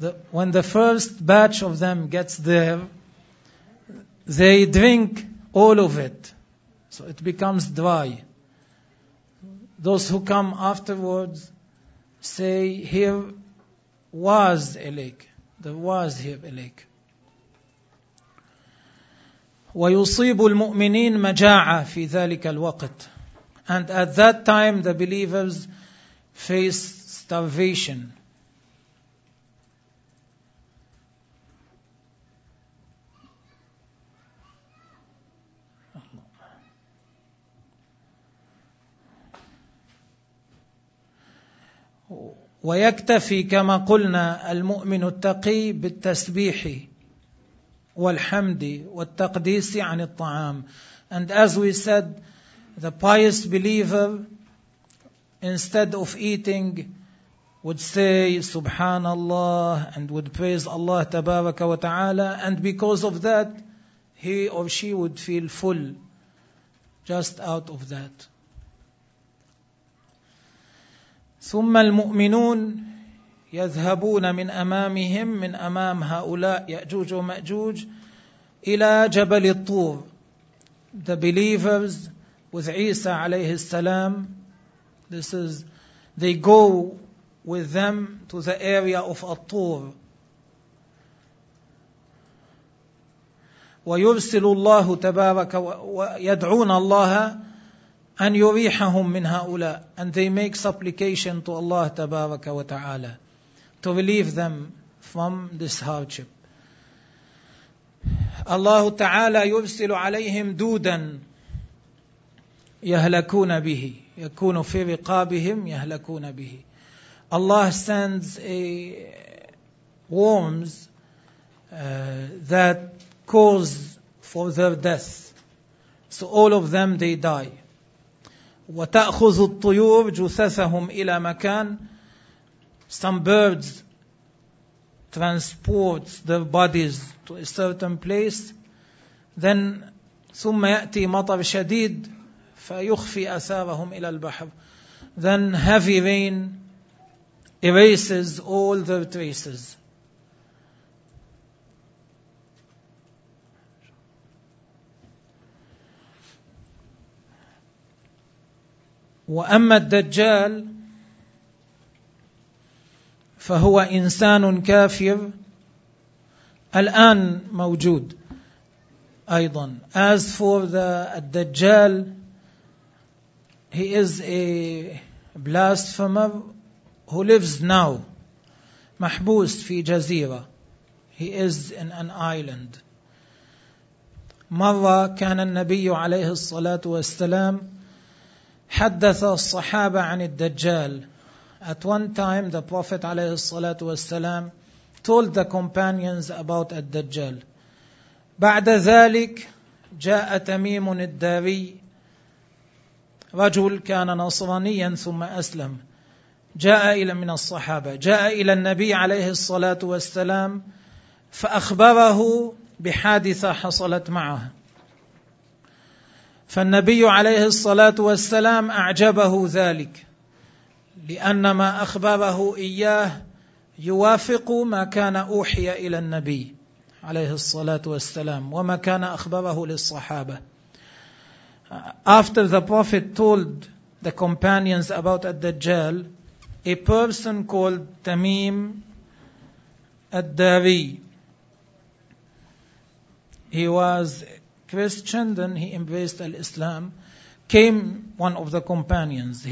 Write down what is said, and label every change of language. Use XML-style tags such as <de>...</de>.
<en>When the first batch of them gets there, they drink all of it. So it becomes dry. Those who come afterwards say, here was a lake. There was here a lake.</en> <ar>ويصيب المؤمنين مجاعة في ذلك الوقت.</ar> <en>And at that time the believers face starvation.</en> <ar>ويكتفي كما قلنا المؤمن التقي بالتسبيح والحمد والتقديس عن الطعام.</ar> <en>And as we said, the pious believer, instead of eating, would say Subhanallah and would praise Allah Tabaraka wa Ta'ala, and because of that, he or she would feel full just out of that.</en> <ar>ثم المؤمنون يذهبون من أمامهم من أمام هؤلاء يأجوج ومأجوج إلى جبل الطور.</ar> <en>The believers with Isa عليه السلام, this is, they go with them to the area of الطور.</en> <ar>ويرسل الله تبارك ويدعون الله أن يريحهم من هؤلاء,</ar> <en>and they make supplication to Allah تبارك وتعالى to relieve them from this hardship.</en> <ar>الله تعالى يرسل عليهم دودا يهلكون به, يكون في رقابهم يهلكون به.</ar> <en>Allah sends a worms that cause for their death, so all of them they die.</en> <ar>وتأخذ الطيور جثثهم إلى مكان.</ar> <en>Some birds transport their bodies to a certain place. Then</en> <ar>ثم يأتي مطر شديد فيخفي أثارهم إلى البحر.</ar> <en>Then heavy rain erases all their traces.</en> <ar>وأما الدجال فهو إنسان كافر الآن موجود أيضا.</ar> <en>As for the Dajjal, he is a blasphemer who lives now,</en> <ar>محبوس في جزيرة.</ar> <en>He is in an island.</en> <ar>مرة كان النبي عليه الصلاة والسلام حدث الصحابة عن الدجال.</ar> <en>At one time the Prophet عليه الصلاة والسلام told the companions about الدجال.</en> <ar>بعد ذلك جاء تميم الداري, رجل كان نصرانيا ثم أسلم, جاء إلى من الصحابة, جاء إلى النبي عليه الصلاة والسلام فأخبره بحادثة حصلت معه. فالنبي عليه الصلاة والسلام أعجبه ذلك, لأن ما أخبره إياه يوافق ما كان أوحي إلى النبي عليه الصلاة والسلام وما كان أخبره للصحابة.</ar> <en>After the Prophet told the companions about الدجال, a person called Tamim الداري, he was Christian, then he embraced Al-Islam, came one of the companions.</en>